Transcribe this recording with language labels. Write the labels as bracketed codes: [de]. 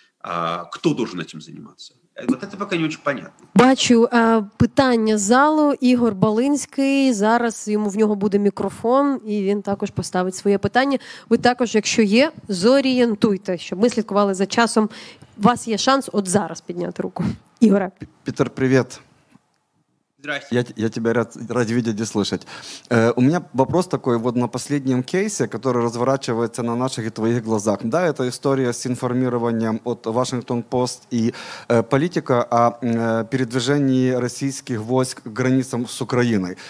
[ru] Кто должен этим заниматься? Вот это пока не очень понятно. [uk] Бачу питання залу. Ігор Балинський. Зараз йому в нього буде мікрофон, і він також поставить своє питання. Ви також, якщо є, зорієнтуйте, щоб ми слідкували за часом. У вас є шанс от зараз підняти руку. Ігоре. Пітер, привіт. [ru] Здравствуйте. Я тебя рад видеть и слышать. У меня вопрос такой вот на последнем кейсе, который разворачивается на наших и твоих глазах. Да, это история с информированием от Washington Post и политика о передвижении российских войск к границам с Украиной.